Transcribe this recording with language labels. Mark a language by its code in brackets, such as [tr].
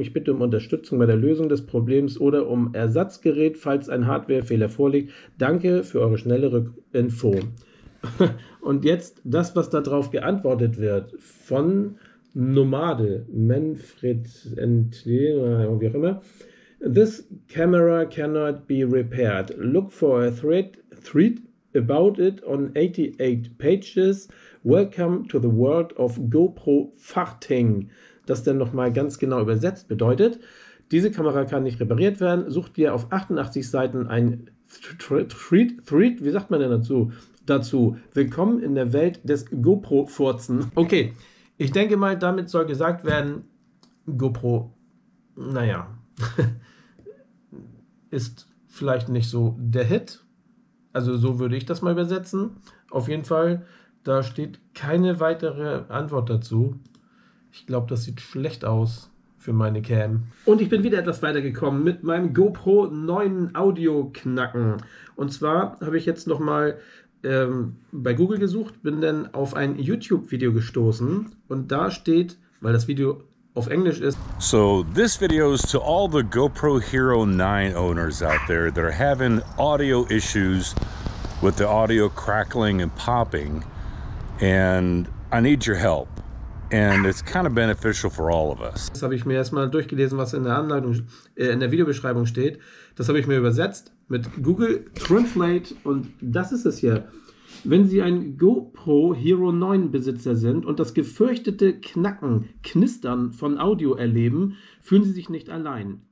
[de] Ich bitte um Unterstützung bei der Lösung des Problems oder um Ersatzgerät, falls ein Hardwarefehler vorliegt. Danke für eure schnelle Rückinfo. Und jetzt das, was darauf geantwortet wird von Nomade, Manfred Entle, wie auch immer. [en] This camera cannot be repaired. Look for a thread about it on 88 pages. Welcome to the world of GoPro Farting. [de] Das dann nochmal ganz genau übersetzt bedeutet, diese Kamera kann nicht repariert werden. Such dir auf 88 Seiten ein Thread, wie sagt man denn dazu? Willkommen in der Welt des GoPro-Furzen. Okay, ich denke mal, damit soll gesagt werden, GoPro, naja. Ist vielleicht nicht so der Hit. Also so würde ich das mal übersetzen. Auf jeden Fall, da steht keine weitere Antwort dazu. Ich glaube, das sieht schlecht aus für meine Cam. Und ich bin wieder etwas weitergekommen mit meinem GoPro 9 Audio-Knacken. Und zwar habe ich jetzt nochmal bei Google gesucht, bin dann auf ein YouTube-Video gestoßen. Und da steht, weil das Video auf Englisch ist. [en] So, this video is to all the GoPro Hero 9 owners out there that are having audio issues with the audio crackling and popping, and I need your help. And it's kind of beneficial for all of us. [de] Das habe ich mir erstmal durchgelesen, was in der Anleitung, in der Videobeschreibung steht. Das habe ich mir übersetzt mit Google Translate und das ist es hier. Wenn Sie ein GoPro Hero 9 Besitzer sind und das gefürchtete Knacken, Knistern von Audio erleben, fühlen Sie sich nicht allein.